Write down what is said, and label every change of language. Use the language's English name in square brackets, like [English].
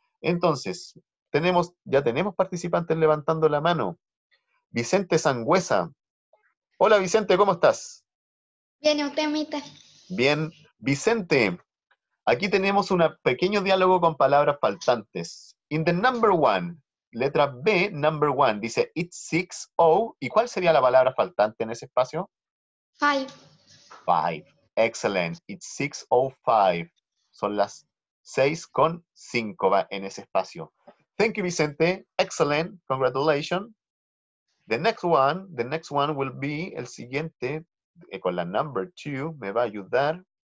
[Spanish] Entonces, ya tenemos participantes levantando la mano. Vicente Sangüesa. Hola, Vicente, ¿cómo estás? Bien, ¿y usted, mister? Bien, Vicente. Aquí tenemos un pequeño diálogo con palabras faltantes. [English] In the number one, [Spanish] letra B, [English] number one, [Spanish] dice [English] it's 6 o'clock. [Spanish] ¿Y cuál sería la palabra faltante en ese espacio? [English] 5. Excellent. It's 6:05. [Spanish] Son las 6:05 va en ese espacio. [English] Thank you, Vicente. Excellent. Congratulations. The next one will be [Spanish] el siguiente con la number two. Me va a ayudar.